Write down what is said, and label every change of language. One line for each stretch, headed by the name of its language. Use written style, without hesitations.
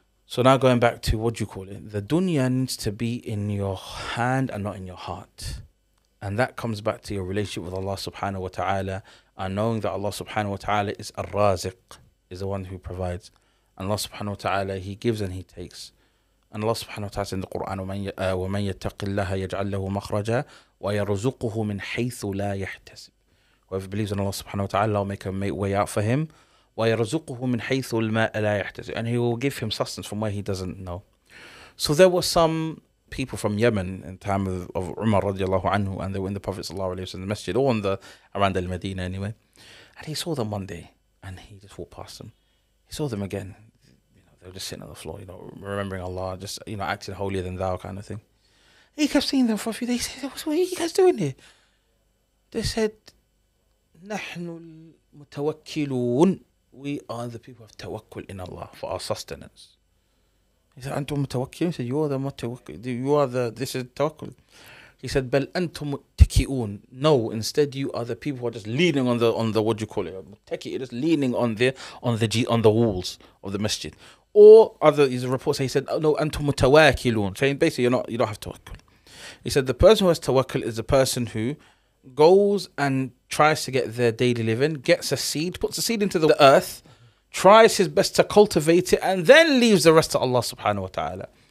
English: So now going back to what you call it, the dunya needs to be in your hand and not in your heart. And that comes back to your relationship with Allah subhanahu wa ta'ala and knowing that Allah subhanahu wa ta'ala is ar-raziq, is the one who provides. And Allah subhanahu wa ta'ala, He gives and He takes. And Allah subhanahu wa ta'ala says in the Quran,
Arabic: وَمَنْ يَتَّقِ اللَّهَ يَجْعَلْ لَهُ مَخْرَجًا وَيَرُزُقُهُ مِنْ حَيْثُ لَا يَحْتَسِبُ.
English: Whoever believes in Allah subhanahu wa ta'ala, Allah will make a way out for him.
Arabic: وَيَرُزُقُهُ مِنْ حَيْثُ الْمَاءَ لَا يَحْتَسِبُ.
English: And He will give him sustenance from where he doesn't know. So there were some people from Yemen in the time of Umar radiallahu anhu, and they were in the Prophet sallallahu alayhi wa sallam, in the masjid, or in the, around Al-Madinah anyway. And he saw them one day, and he just walked past them. He saw them again. They were just sitting on the floor, you know, remembering Allah, just, you know, acting holier than thou kind of thing. He kept seeing them for a few days. He said, what are you guys doing here? They said,
Arabic: نَحْنُ الْمُتَوَكِّلُونَ.
English: We are the people of tawakkul in Allah for our sustenance. He said,
Arabic: أَنْتُمْ مُتَوَكِّلُونَ.
English: He said, this is tawakkul. He said,
Arabic: بَلْ أَنْتُمْ مُتَكِئُونَ.
English: No, instead you are the people who are just leaning on the, what do you call it? مُتَكِئُ, just leaning on the, walls of the masjid. Or other, his report say, he said, oh, no,
Arabic: أَنْتُمْ مُتَوَاكِلُونَ.
English: Saying basically, you don't have tawakkul. He said, the person who has tawakkul is the person who goes and tries to get their daily living, gets a seed, puts a seed into the earth, tries his best to cultivate it, and then leaves the rest to Allah subhanahu wa ta'ala.